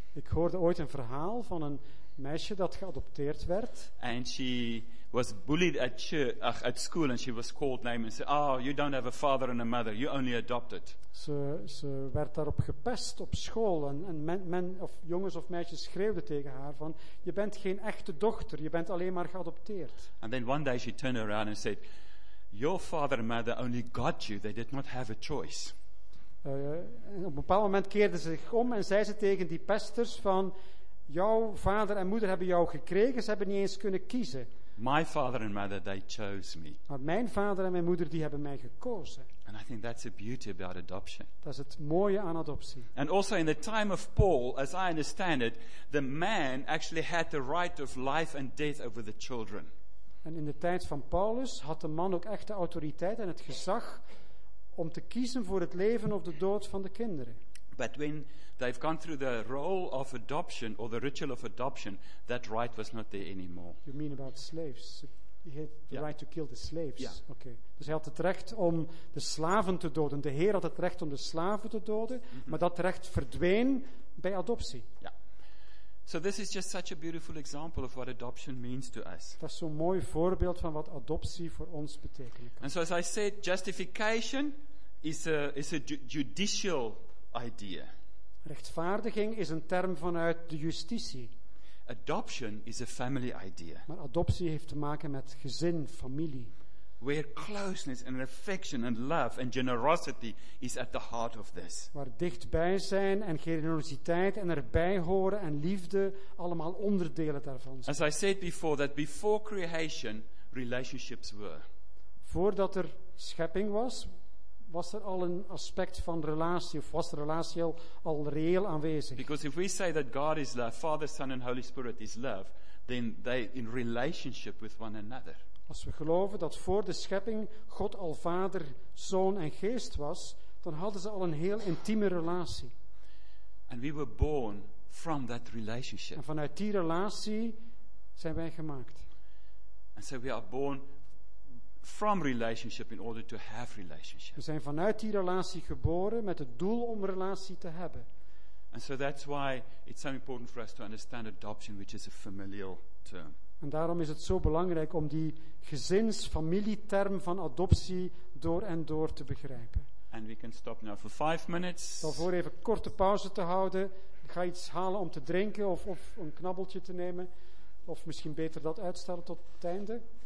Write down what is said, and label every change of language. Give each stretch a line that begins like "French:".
Dutch: Ik hoorde ooit een verhaal van een meisje dat geadopteerd werd.
English: And she was bullied at school and she was called names and said, you don't have a father and a mother, you only adopted.
Dutch: Ze werd daarop gepest op school en men of jongens of meisjes schreeuwden tegen haar van, je bent geen echte dochter, je bent alleen maar geadopteerd.
English: And then one day she turned around and said, your father and mother only got you, they did not have a choice.
Dutch: Op een bepaald moment keerde ze zich om en zei ze tegen die pesters van, jouw vader en moeder hebben jou gekregen, ze hebben niet eens kunnen kiezen.
English: My father and mother, they chose me.
Dutch: Maar mijn vader en mijn moeder die hebben mij gekozen.
English: And I think that's the beauty about adoption.
Dutch: Dat is het mooie aan adoptie.
English: And also in the time of Paul, as I understand it, the man actually had the right of life and death over the children.
Dutch: En in de tijd van Paulus had de man ook echt de autoriteit en het gezag om te kiezen voor het leven of de dood van de kinderen.
English: But when they've gone through the role of adoption or the ritual of adoption, that right was not there anymore. You mean about slaves? He had the right to kill the slaves. Yeah. Okay.
Dutch: Dus hij had het recht om de slaven te doden. De Heer had het recht om de slaven te doden, maar dat recht verdween bij adoptie. Ja.
English: So this is just such a beautiful example of what adoption means to us.
Dutch: Dat is zo'n mooi voorbeeld van wat adoptie voor ons betekenen kan.
English: And so as I said, justification is a judicial idea.
Dutch: Rechtvaardiging is een term vanuit de justitie.
English: Adoption is a family idea.
Dutch: Maar adoptie heeft te maken met gezin, familie.
English: Where closeness and affection and love and generosity is at the heart of this.
Dutch: Waar dichtbij zijn en generositeit en erbij horen en liefde allemaal onderdelen daarvan zijn.
English: As I said before, that before creation, relationships were.
Dutch: Voordat er schepping was, was er al een aspect van relatie of was de relatie al reëel aanwezig?
English: Because if we say that God is love, Father, Son and Holy Spirit is love, then they in relationship with one another.
Dutch: Als we geloven dat voor de schepping God al Vader, Zoon en Geest was, dan hadden ze al een heel intieme relatie.
English: And we were born from that relationship.
Dutch: En vanuit die relatie zijn wij gemaakt.
English: And so we are born from relationship in order to have relationship.
Dutch: We zijn vanuit die relatie geboren met het doel om relatie te hebben.
English: And so that's why it's so important for us to understand adoption, which is a familial term.
Dutch: En daarom is het zo belangrijk om die gezinsfamilieterm van adoptie door en door te begrijpen.
English: And we can stop now for 5 minutes.
Dutch: Stel voor even korte pauze te houden. Ik ga iets halen om te drinken of een knabbeltje te nemen. Of misschien beter dat uitstellen tot het einde.